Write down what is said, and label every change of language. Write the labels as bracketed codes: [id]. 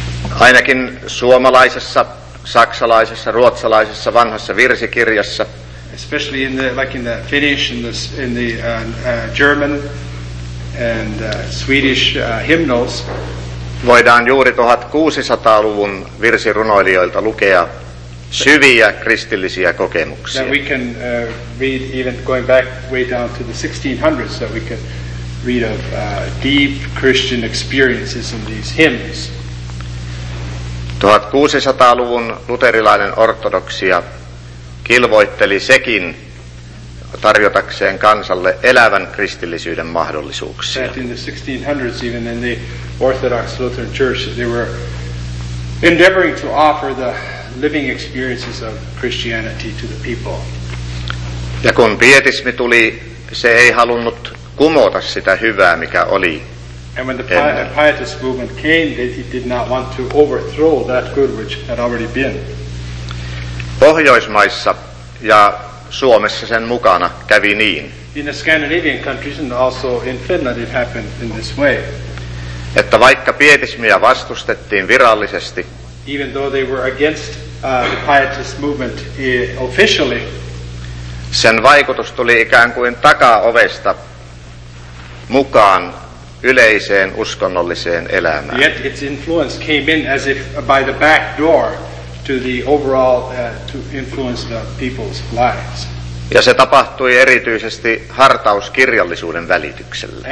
[fi] Ainakin suomalaisessa, saksalaisessa, ruotsalaisessa vanhassa virsikirjassa. [en] Especially in the like in the Finnish and in the German and Swedish hymnals. [fi] Voidaan juuri 1600-luvun virsirunoilijoilta lukea syviä kristillisiä kokemuksia. [en] That we can read even going back way down to the 1600s that we can read of deep Christian experiences in these hymns. [fi] 1600-luvun luterilainen ortodoksia kilvoitteli sekin tarjotakseen kansalle elävän kristillisyyden mahdollisuuksia. [en] That in the 1600s, even in the Orthodox Lutheran Church, they were endeavoring to offer the living experiences of Christianity to the people. [fi] Ja kun pietismi tuli, se ei halunnut kumota sitä hyvää, mikä oli. [en] And when the pietist movement came, they did not want to overthrow that good which had already been. [fi] Pohjoismaissa ja Suomessa sen mukana kävi niin. [en] In the Scandinavian countries and also in Finland it happened in this way. [fi] Että vaikka pietismiä vastustettiin virallisesti, [en] even though they were against the pietist movement officially, [fi] sen vaikutus tuli ikään kuin takaovesta mukaan yleiseen uskonnolliseen elämään. [en] Yet its influence came in as if by the back door to the overall to influence the people's lives. [fi] Ja se tapahtui erityisesti hartauskirjallisuuden välityksellä.